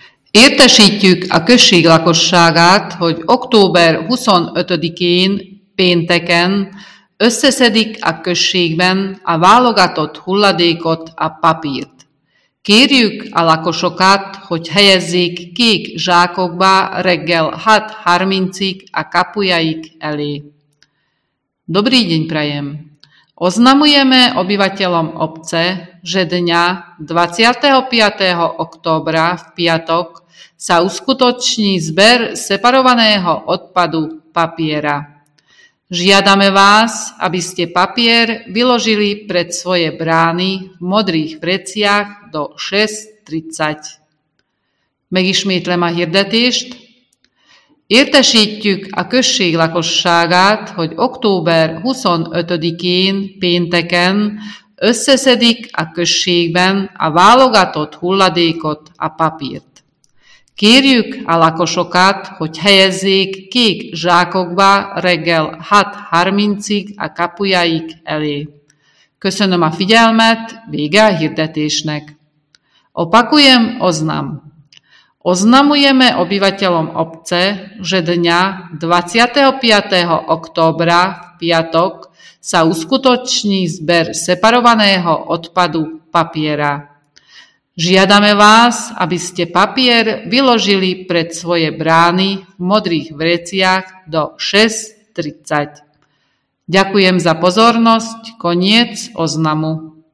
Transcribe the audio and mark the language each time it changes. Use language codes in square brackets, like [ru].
[hu] Értesítjük a község lakosságát, hogy október 25-én, pénteken összeszedik a községben a válogatott hulladékot, a papírt. Kérjük a lakosokat, hogy helyezzék kék zsákokba reggel 6:30-ig a kapujaik elé. [sk] Dobrý deň prajem! Oznamujeme obyvateľom obce, že dňa 25. októbra v piatok sa uskutoční zber separovaného odpadu papiera. Žiadame vás, aby ste papier vyložili pred svoje brány v modrých vreciach do 6:30. [hu] Megismétlem a hirdetést. Értesítjük a község lakosságát, hogy október 25-én, pénteken összeszedik a községben a válogatott hulladékot, a papírt. Kérjük a lakosokat, hogy helyezzék kék zsákokba reggel 6:30-ig a kapujaik elé. Köszönöm a figyelmet, vége a hirdetésnek. [sk] Opakujem oznam. Oznamujeme obyvateľom obce, že dňa 25. októbra v piatok sa uskutoční zber separovaného odpadu papiera. Žiadame vás, aby ste papier vyložili pred svoje brány v modrých vreciach do 6:30. Ďakujem za pozornosť. Koniec oznamu.